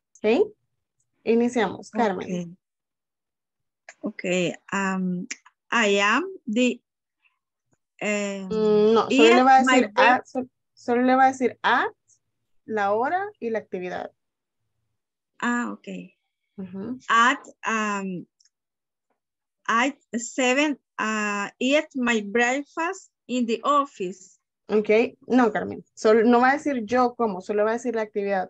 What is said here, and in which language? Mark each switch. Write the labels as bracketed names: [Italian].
[Spanish] Okay, iniciamos, Carmen. [English] Okay. I am the... [Spanish] No, solo le va a decir solo le va a decir a la hora y la actividad. Ah, ok. Uh-huh. [English] At at 7 eat my breakfast in the office. [Spanish] Ok, no, Carmen. No va a decir yo como, solo va a decir la actividad.